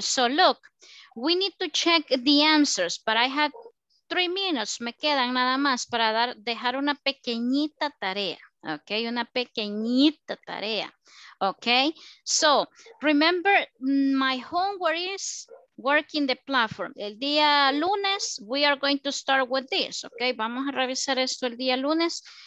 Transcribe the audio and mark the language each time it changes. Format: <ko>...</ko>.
<en>So look, we need to check the answers, but I have 3 minutes.</en> <es>Me quedan nada más para dejar una pequeñita tarea. Okay, una pequeñita tarea.</es> <en>Okay, so remember my homework is working the platform.</en> <es>El día lunes,</es> <en>we are going to start with this.</en> <es>Okay, vamos a revisar esto el día lunes.</es>